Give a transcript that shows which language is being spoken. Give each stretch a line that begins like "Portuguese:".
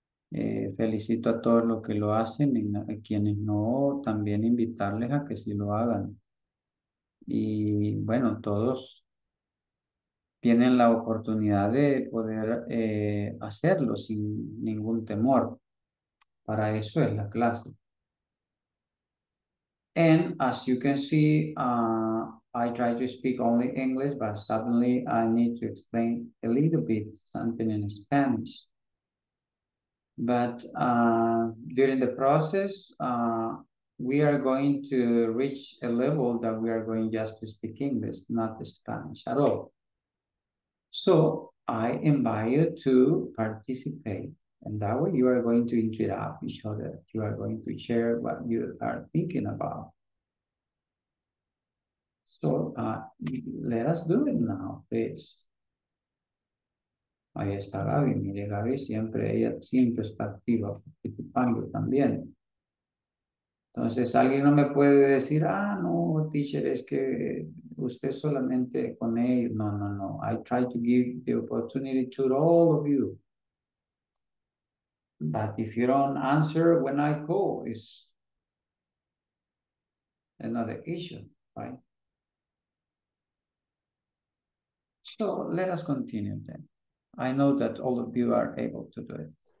Spanish: Felicito a todos los que lo hacen y a quienes no, también invitarles a que sí lo hagan. Y bueno, todos tienen la oportunidad de poder hacerlo sin ningún temor. Para eso es la clase.
English: And as you can see, I try to speak only English, but suddenly I need to explain a little bit something in Spanish. But during the process, we are going to reach a level that we are going just to speak English, not Spanish at all. So I invite you to participate. And that way you are going to interact with each other. You are going to share what you are thinking about. So let us do it now, please.
Spanish: Ahí está Gaby. Mire, Gaby siempre, ella siempre está activa participando también. Entonces, alguien no me puede decir, ah, no, teacher, es que usted solamente con ellos. No, no, no.
English: I try to give the opportunity to all of you. But if you don't answer when I call, it's another issue, right? So let us continue then. I know that all of you are able to do it.